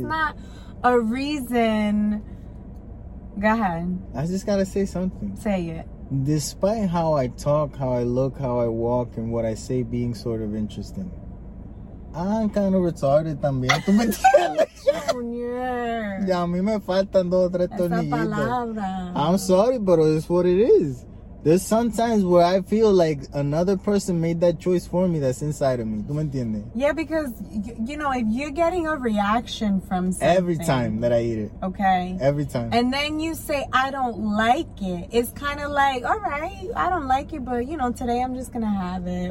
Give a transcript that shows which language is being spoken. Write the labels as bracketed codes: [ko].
[en] you. That's not a reason. Go ahead. I just got to say something. Say it. Despite how I talk, how I look, how I walk, and what I say being sort of interesting, I'm kind of retarded también. [es] ¿Tú me entiendes? Ya a mí me faltan dos o tres tornillitos. [en] I'm sorry, but it's what it is. There's sometimes where I feel like another person made that choice for me that's inside of me. [es] ¿Tú me entiendes? [en] Yeah, because, you know, if you're getting a reaction from something. Every time that I eat it. Okay. Every time. And then you say, I don't like it. It's kind of like, all right, I don't like it, but, you know, today I'm just going to have it.